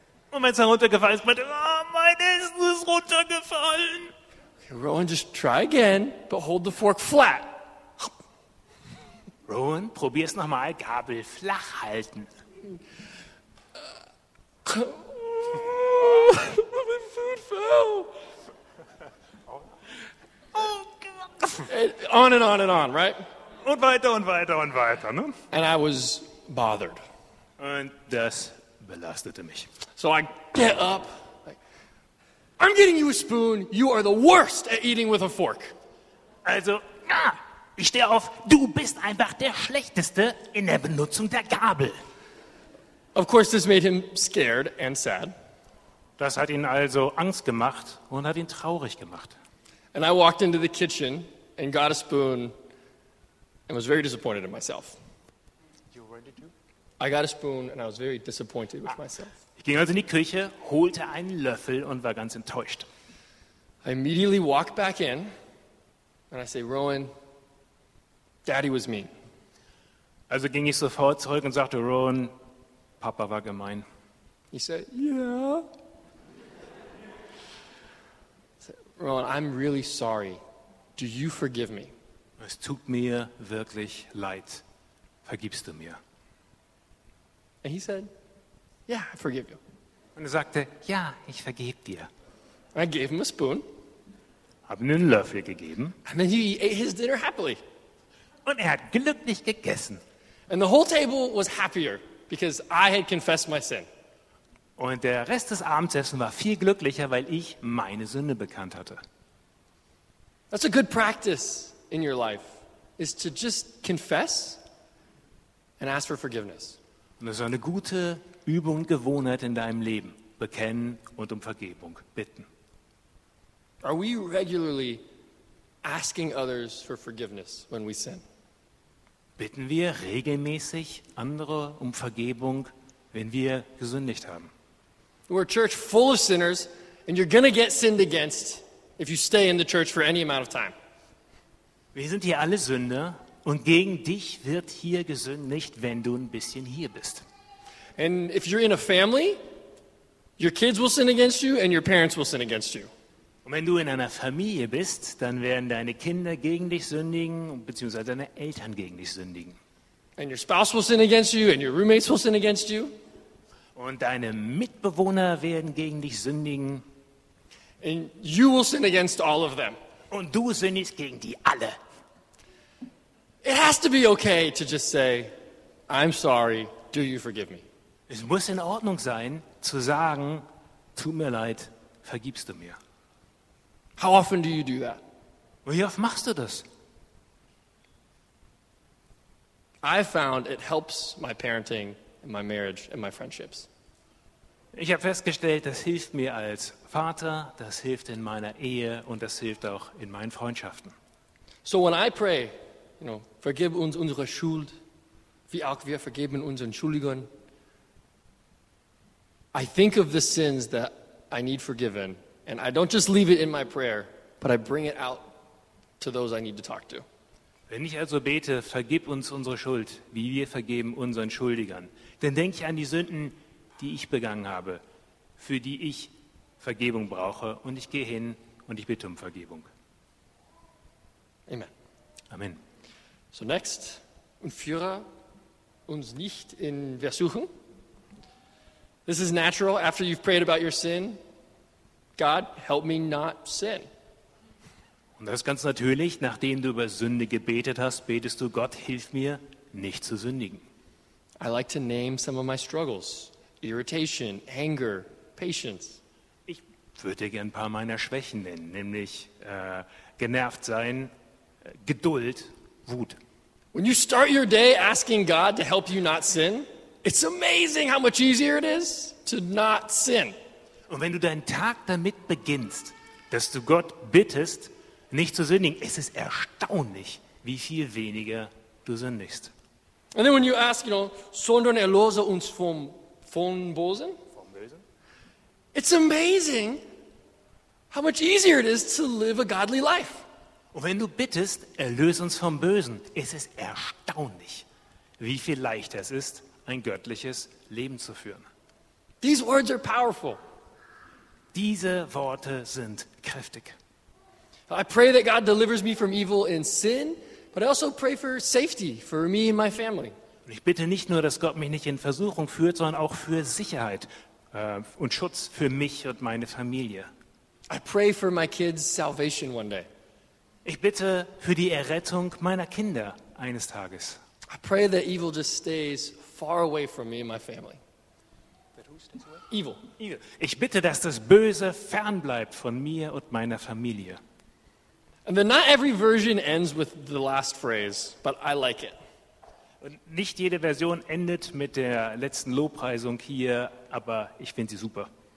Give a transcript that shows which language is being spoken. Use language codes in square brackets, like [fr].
[de] Und wenn es dann runtergefallen ist, meinte, oh, mein Essen ist runtergefallen. [en] Okay, Rowan, just try again, but hold the fork flat. [de] Rowan, probier es nochmal, Gabel flach halten. [en] My food fell. On and on and on, right? [de] Und weiter und weiter und weiter, ne? [en] And I was bothered. [de] Und das belastete mich. [en] So I get up. Like, I'm getting you a spoon. You are the worst at eating with a fork. [de] Also, ich stehe auf. Du bist einfach der Schlechteste in der Benutzung der Gabel. [en] Of course, this made him scared and sad. [de] Das hat ihn also Angst gemacht und hat ihn traurig gemacht. [en] And I walked into the kitchen and got a spoon and was very disappointed in myself. You already do? I got a spoon and I was very disappointed with myself. [de] Ich ging also in die Küche, holte einen Löffel und war ganz enttäuscht. [en] I immediately walked back in and I say, Rowan, Daddy was mean. [de] Also ging ich sofort zurück und sagte, Rowan, Papa war gemein. [en] He said, yeah. I said, Rowan, I'm really sorry. Do you forgive me? [de] Es tut mir wirklich leid. Vergibst du mir? [en] And he said, yeah, I forgive you. [de] Und er sagte, ja, ich vergebe dir. [en] I gave him a spoon. [de] Hab ihm einen Löffel gegeben. [en] And then he ate his dinner happily. [de] Und er hat glücklich gegessen. [en] And the whole table was happier. Because I had confessed my sin. [de] Und der Rest des Abendessens war viel glücklicher, weil ich meine Sünde bekannt hatte. [en] That's a good practice in your life, is to just confess and ask for forgiveness. [de] Und das ist eine gute Übung und Gewohnheit in deinem Leben. Bekennen und um Vergebung bitten. [en] Are we regularly asking others for forgiveness when we sin? [de] Bitten wir regelmäßig andere um Vergebung, wenn wir gesündigt haben. [en] We're a church full of sinners and you're going to get sinned against if you stay in the church for any amount of time. [de] Wir sind hier alle Sünder und gegen dich wird hier gesündigt, wenn du ein bisschen hier bist. [en] And if you're in a family, your kids will sin against you and your parents will sin against you. [de] Und wenn du in einer Familie bist, dann werden deine Kinder gegen dich sündigen, beziehungsweise deine Eltern gegen dich sündigen. [en] And your spouse will sin against you, and your roommates will sin against you. [de] Und deine Mitbewohner werden gegen dich sündigen. [en] And you will sin against all of them. [de] Und du sündigst gegen die alle. [en] It has to be okay to just say, I'm sorry, do you forgive me? [de] Es muss in Ordnung sein, zu sagen, tut mir leid, vergibst du mir? [en] How often do you do that? [de] Wie oft machst du das? [en] I found it helps my parenting and my marriage and my friendships. [de] Ich habe festgestellt, das hilft mir als Vater, das hilft in meiner Ehe und das hilft auch in meinen Freundschaften. [en] So when I pray, you know, [de] vergib uns unsere Schuld, wie auch wir vergeben unseren Schuldigern, [en] I think of the sins that I need forgiven. And I don't just leave it in my prayer, but I bring it out to those I need to talk to. [de] Wenn ich also bete, vergib uns unsere Schuld, wie wir vergeben unseren Schuldigern, dann denke ich an die Sünden, die ich begangen habe, für die ich Vergebung brauche, und ich gehe hin und ich bitte um Vergebung. Amen. Amen. Zunächst, und führe uns nicht in Versuchung. [en] This is natural after you've prayed about your sin. God, help me not sin. [de] Und das ist ganz natürlich, nachdem du über Sünde gebetet hast, betest du, Gott, hilf mir, nicht zu sündigen. [en] I like to name some of my struggles. Irritation, anger, patience. [de] Ich würde gerne ein paar meiner Schwächen nennen, nämlich genervt sein, Geduld, Wut. [en] When you start your day asking God to help you not sin, it's amazing how much easier it is to not sin. [de] Und wenn du deinen Tag damit beginnst, dass du Gott bittest, nicht zu sündigen, es ist erstaunlich, wie viel weniger du sündigst. [en] And then when you ask, you know, [de] sondern erlose uns vom Bösen, [en] it's amazing how much easier it is to live a godly life. [de] Und wenn du bittest, erlöse uns vom Bösen, es ist erstaunlich, wie viel leichter es ist, ein göttliches Leben zu führen. [en] These words are powerful. [de] Diese Worte sind kräftig. [en] I pray that God delivers me from evil and sin, but I also pray for safety for me and my family. [de] Ich bitte nicht nur, dass Gott mich nicht in Versuchung führt, sondern auch für Sicherheit und Schutz für mich und meine Familie. [en] I pray for my kids' salvation one day. [de] Ich bitte für die Errettung meiner Kinder eines Tages. [en] I pray that evil just stays far away from me and my family. Evil. [de] Ich bitte, dass das Böse fern bleibt von mir und meiner Familie. [en] And then not every version ends with the last phrase, but I like it. [de] Und nicht jede Version endet mit der letzten Lobpreisung hier, aber ich finde sie super.